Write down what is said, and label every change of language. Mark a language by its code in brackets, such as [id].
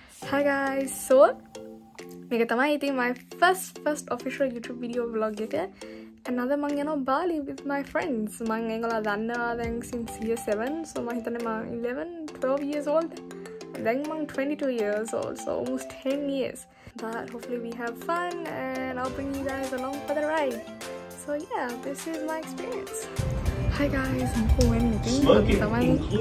[en] Hi guys, so [si] මේක තමයි ඉතින් [en] my first official YouTube video vlog [si] එක. [en] Another [si] මං යනවා [en] Bali with my friends. [si] මං ඒගොල්ලෝ දන්නවා දැන් [en] since year 7. So [si] මම හිතන්නේ මම [en] 11 12 years old. Then [si] මං [en] 22 years old. So almost 10 years. But hopefully we have fun and I'll bring you guys along for the ride. So yeah, this is my experience. Hi guys, I'm going to go to